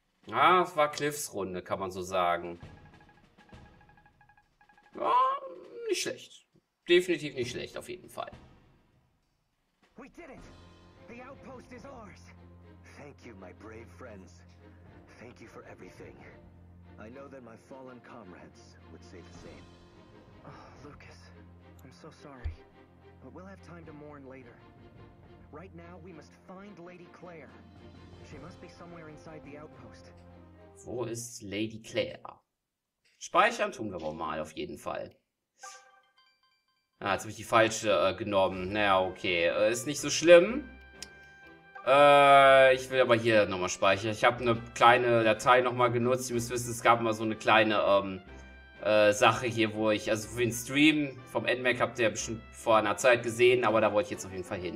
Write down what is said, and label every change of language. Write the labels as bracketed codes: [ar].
[de] Ah, es war Cliffs Runde, kann man so sagen. Ja, nicht schlecht. Definitiv nicht schlecht, auf jeden Fall. [en] We did it. The outpost is ours. Thank you, my brave friends. Thank you for everything. I know that my fallen comrades would say the same. Oh, Lucas, I'm so sorry. But we'll have time to mourn later. Right now, we must find Lady Claire. She must be somewhere inside the outpost. [de] Wo ist Lady Claire? Speichern tun wir wohl mal, auf jeden Fall. Ah, jetzt habe ich die falsche genommen. Naja, okay. Ist nicht so schlimm. Ich will aber hier nochmal speichern. Ich habe eine kleine Datei nochmal genutzt. Ihr müsst wissen, es gab mal so eine kleine Sache hier, wo ich, also für den Stream vom NMAC habt ihr bestimmt vor einer Zeit gesehen, aber da wollte ich jetzt auf jeden Fall hin.